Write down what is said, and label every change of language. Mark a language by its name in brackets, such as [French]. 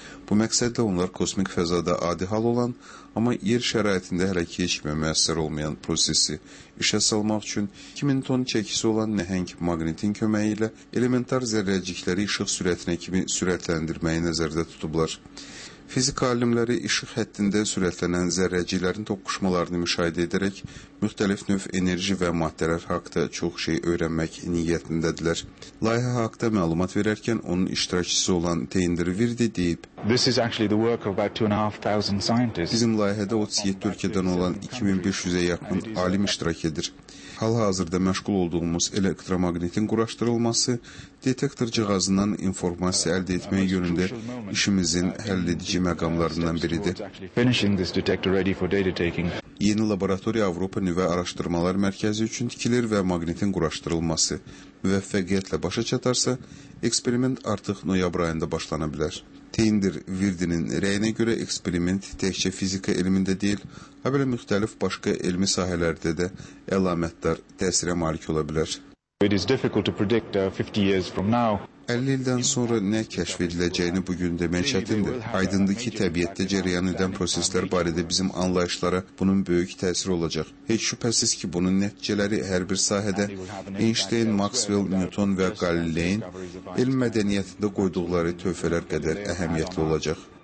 [Azerbaijani] Bu məqsədlə onlar kosmik fəzada adi hal olan, amma yer şəraitində hələ ki heç bir müəssər olmayan prosesi işə salmaq üçün 2000 ton çəkisi olan nəhəng maqnitin köməyi ilə elementar zərrəcikləri işıq sürətinə kimi sürətləndirməyi nəzərdə tutublar. Fizika alimləri işıq həddində sürətlənən zərrəciklərin toqquşmalarını müşahidə edərək müxtəlif növ enerji və maddələr haqda çox şey öyrənmək niyyətindədirlər. Layihə haqda məlumat verərkən onun iştirakçısı olan Teyndir Virdi deyib, [English] This is actually the work of about 2,500 scientists. [Azerbaijani] Bizim layihədə 37 ölkədən olan 2500-ə yaxın alim iştirak edir. Hal-hazırda məşğul olduğumuz elektromaqnitin quraşdırılması, detektor cihazından informasiya əldə etmək yönündə işimizin həll edici məqamlarından biridir. Yeni laboratoriya Avropa Nüvə Araşdırmalar Mərkəzi üçün tikilir və maqnitin quraşdırılması müvəffəqiyyətlə başa çatarsa, eksperiment artıq noyabr ayında başlana bilər. Teyndir Virdinin rəyinə görə eksperiment təkcə fizika elmində deyil, həbələ müxtəlif başqa elmi sahələrdə də əlamətlər təsirə malik ola bilər. [English] It is difficult to predict 50 years from now. [Azerbaijani] 50 ildən sonra nə kəşf ediləcəyini bu gün demək çətindir. Aydındır ki, təbiətdə cərəyan edən proseslər barədə bizim anlayışlara bunun böyük təsiri olacaq. Heç şübhəsiz ki, bunun nəticələri hər bir sahədə Einstein, Maxwell, Newton və Galilein elm mədəniyyətində qoyduqları töhfələr qədər əhəmiyyətli olacaq.